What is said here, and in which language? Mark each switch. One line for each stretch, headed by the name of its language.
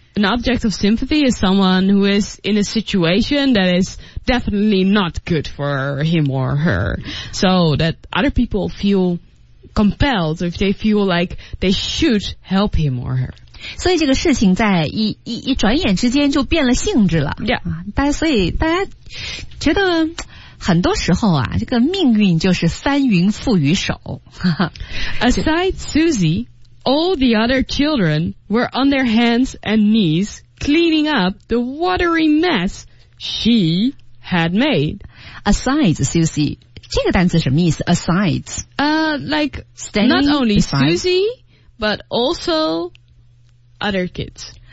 English: An object of sympathy is someone who is in a situation that is definitely not good for him or her. So that other people feel compelled, if they feel like they should help him or her.
Chinese: 所以这个事情在一转眼之间就变了性质了。
English: Yeah.
Chinese: 所以大家觉得很多时候啊，这个命运就是翻云覆雨手。
English: Aside Susie,All the other children were on their hands and knees cleaning up the watery mess she had made.
Chinese: Aside, Susie. 这个单词什么意思?Aside.
English: Like, Staying not only besides. Susie, but also other kids.